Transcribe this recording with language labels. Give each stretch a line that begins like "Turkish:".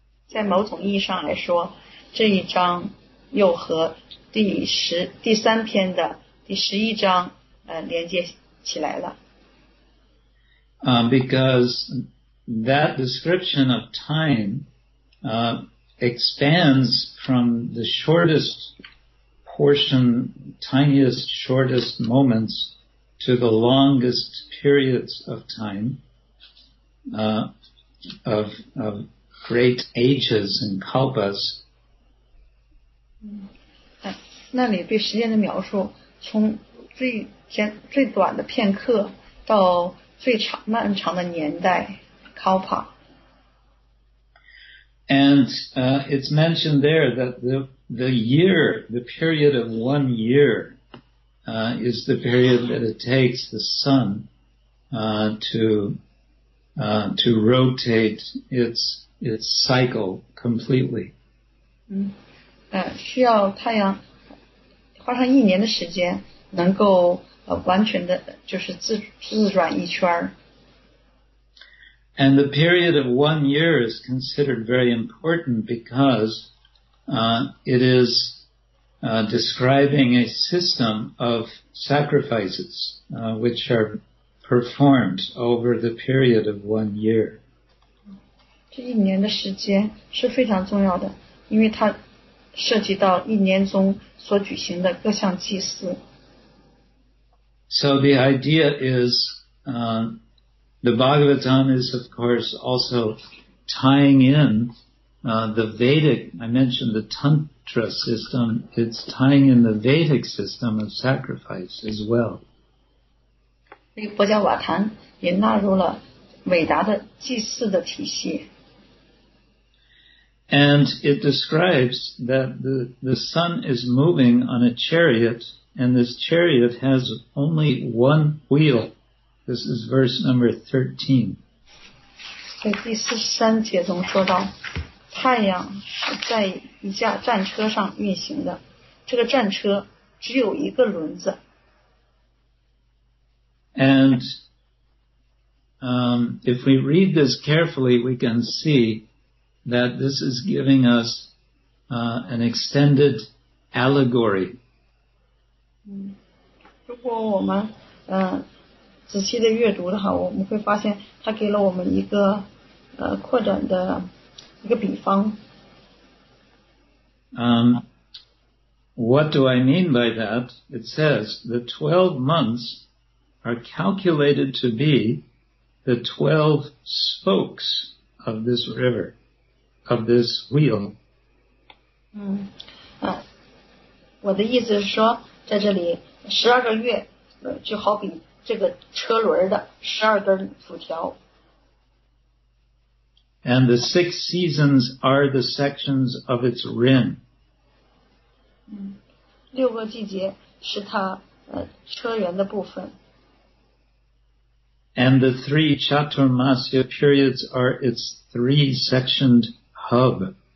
Chinese: 在某种意义上来说，这一章又和第三篇的第十一章连接起来了。
English: Because that description of time expands from the shortest portion, tiniest, shortest moments to the longest periods of time, of great ages and kalpas.
Chinese: 那里对时间的描述从最短的片刻到最长漫长的年代 kalpa.
English: And it's mentioned there that the year, the period of 1 year, is the period that it takes the sun to rotate its cycle completely.
Chinese: 需要太阳花上一年的时间能够完全的就是自转一圈。
English: And the period of 1 year is considered very important because it is describing a system of sacrifices which are performed over the period of 1 year.
Chinese: 这一年的时间是非常重要的，因为它涉及到一年中所举行的各项祭祀。
English: So the idea is, the Bhagavatam is of course also tying in the Vedic, I mentioned the Tantra system, it's tying in the Vedic system of sacrifice as well.
Chinese: 这个佛教瓦坛也纳入了伟达的祭祀的体系。
English: And it describes that the sun is moving on a chariot, and this chariot has only one wheel. This is verse number 13.
Chinese: 在第四十三节中说到，太阳是在一架战车上运行的，这个战车只有一个轮子。
English: And if we read this carefully, we can see that this is giving us an extended allegory.
Chinese: 如果我们仔细的阅读的话，我们会发现他给了我们一个扩展的一个比方。
English: What do I mean by that? It says the 12 months are calculated to be the 12 spokes of this river, of this wheel.
Chinese: 我的意思是说，在这里十二个月，就好比这个车轮的十二根辐条。
English: And the six seasons are the sections of its rim.
Chinese: 六个季节是它车轮的部分。
English: And the three chaturmasya periods are its three-sectioned hub.